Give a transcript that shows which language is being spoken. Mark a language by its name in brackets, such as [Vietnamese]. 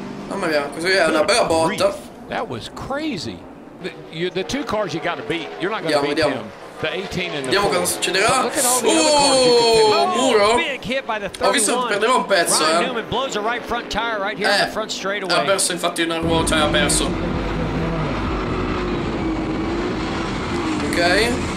[Italian] Mamma mia, così è una bella botta. [English] That was crazy. The two cars you gotta beat. You're not gonna beat them. The 18 and the [Italian] vediamo cosa succederà. Muro. Ho visto che perderò un pezzo. Ha perso infatti una ruota e ha perso. [English] Ok.